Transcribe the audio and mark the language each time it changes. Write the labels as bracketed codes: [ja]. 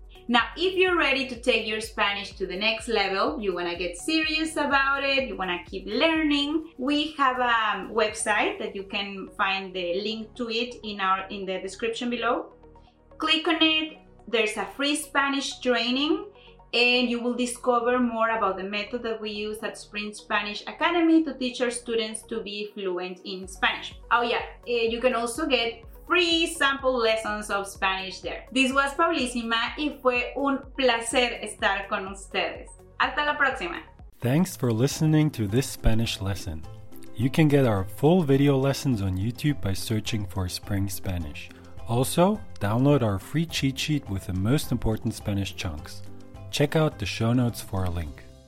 [en] Now, if you're ready to take your Spanish to the next level, you want to get serious about it, you want to keep learning, we have a website that you can find the link to it in the description below. Click on it. There's a free Spanish training, and you will discover more about the method that we use at Spring Spanish Academy to teach our students to be fluent in Spanish. Oh yeah, you can also get free sample lessons of Spanish there. This was [es] Paulísima y fue un placer estar con ustedes. Hasta la próxima. [en] Thanks for listening to this Spanish lesson. You can get our full video lessons on YouTube by searching for Spring Spanish. Also, download our free cheat sheet with the most important Spanish chunks. Check out the show notes for a link.